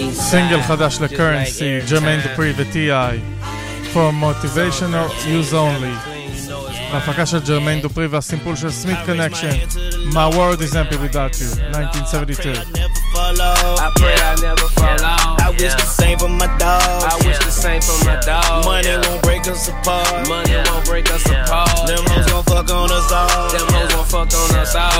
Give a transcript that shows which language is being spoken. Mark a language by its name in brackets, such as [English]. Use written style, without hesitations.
[Hebrew] Single חדש לקרנסי, ג'רמיין דפרי ו-T.I. [English] For motivational use only. [Hebrew] ההפקה של ג'רמיין דפרי והסימפול של סמית קונקשן. [English] My world is empty without you. 1972. I wish the same for my dog. Money won't break us apart. Them hoes gon' fuck on us all.